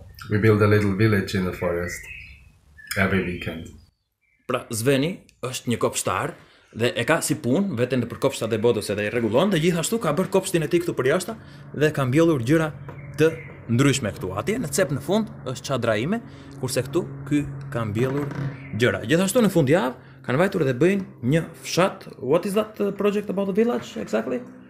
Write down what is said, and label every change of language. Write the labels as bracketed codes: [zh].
[en] We build a little village in the forest every weekend. [sq] pra Zveni është një kopshtar dhe e ka si punë veten për kopshtat e botës edhe i rregullon dhe gjithashtu ka bërë kopshtin e tij këtu për jashtë dhe ka mbjellur gjëra të ndryshme këtu. Atje në cep në fund është çadra ime, kurse këtu ky ka mbjellur gjëra. Gjithashtu në fundjavë kanë vajtur dhe bëjnë një fshat. [en] What is that project about the village exactly?